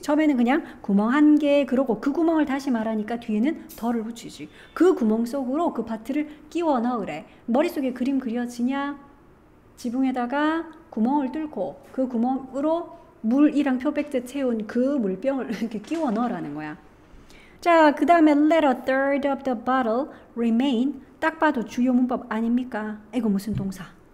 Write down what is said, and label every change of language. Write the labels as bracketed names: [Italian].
[Korean] 처음에는 그냥 구멍 한 개 그러고 그 구멍을 다시 말하니까 뒤에는 the를 붙이지. 그 구멍 속으로 그 파트를 끼워 넣으래. 머릿속에 그림 그려지냐? 지붕에다가 구멍을 뚫고 그 구멍으로 물이랑 표백제 채운 그 물병을 이렇게 끼워 넣으라는 거야. 자, 그 다음에 [English] let a third of the bottle remain. [Korean] 딱 봐도 주요 문법 아닙니까? 이거 무슨 동사?